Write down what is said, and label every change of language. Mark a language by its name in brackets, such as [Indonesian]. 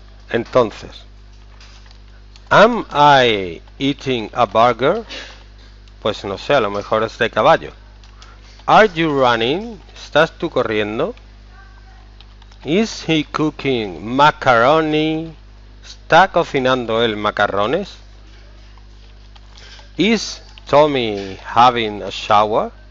[English] Entonces, am I eating a burger? [Spanish] Pues no sé, a lo mejor es de caballo. [English] Are you running? [Spanish] ¿Estás tú corriendo? [English] Is he cooking macaroni? [Spanish] ¿Está cocinando él macarrones? [English] Is Tommy having a shower?